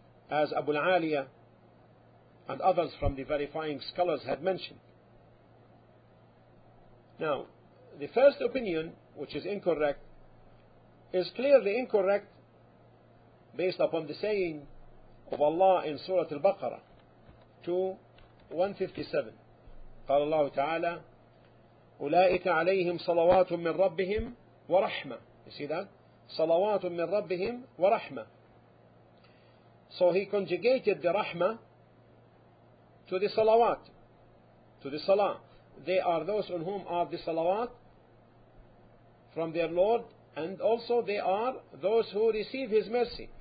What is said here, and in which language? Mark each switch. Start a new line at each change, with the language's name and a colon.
English: As Abu al-Aliya and others from the verifying scholars had mentioned. Now, the first opinion, which is incorrect, is clearly incorrect based upon the saying of Allah in Surah Al-Baqarah 2:157.
Arabic: قال الله تعالى أولئك عليهم صلوات من ربهم ورحمة.
English: You see that?
Arabic: صلوات من ربهم ورحمة.
English: So he conjugated the رحمة to the صلوات, to the صلاة. They are those on whom are the صلوات from their Lord, and also they are those who receive his mercy.